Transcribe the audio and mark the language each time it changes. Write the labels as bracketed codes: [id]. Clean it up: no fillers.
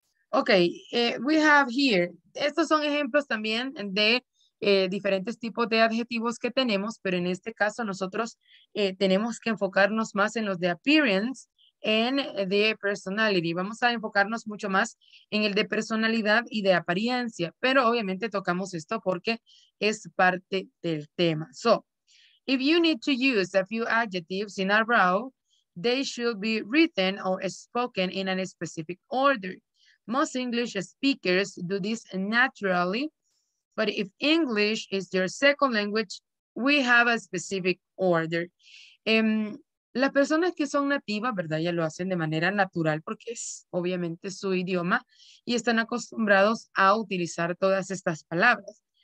[en] Ok, we have here. [es] Estos son ejemplos también de diferentes tipos de adjetivos que tenemos, pero en este caso nosotros tenemos que enfocarnos más en los de appearance and de personality. Vamos a enfocarnos mucho más en el de personalidad y de apariencia, pero obviamente tocamos esto porque es parte del tema. [en] So, if you need to use a few adjectives in a row, they should be written or spoken in a specific order. Most English speakers do this naturally, but if English is your second language, we have a specific order. [es] Las personas que son nativas, ¿verdad? Ya lo hacen de manera natural porque es obviamente su idioma y están acostumbrados a utilizar todas estas palabras.